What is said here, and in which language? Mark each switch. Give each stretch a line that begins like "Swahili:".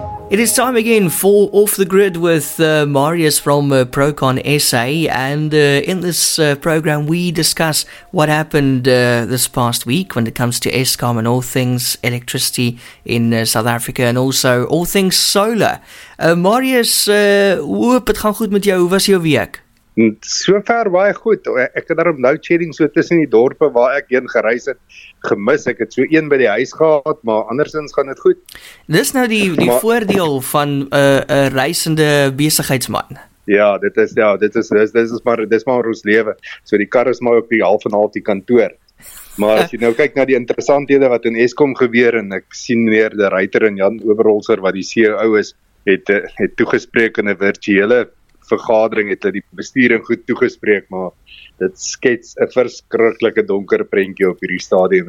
English: It is time again for Off the Grid with Marius from ProCon SA, and in this program we discuss what happened this past week when it comes to Eskom and all things electricity in South Africa, and also all things solar.
Afrikaans: Marius, hoe het gaan goed met jou? Hoe was jou week? So ver baie goed. Ek het daarom load shedding so tussen die dorpe waar ek heen gereis het gemis. Ek het so een by die huis gehad, maar andersins gaan dit goed. Dis nou die voordeel van 'n reisende besigheidsman. Dit is maar ons lewe. So die kar is maar op die half en half die kantoor. Maar as jy nou kyk na die interessanthede wat in Eskom gebeur, en ek sien meneer De Ruyter en Jan Overholser wat die CEO is, het toegespreek in 'n virtuele vergadering, het die bestuuring goed toegespreek, maar dit skets 'n verskriklike donker prentjie op hierdie stadium.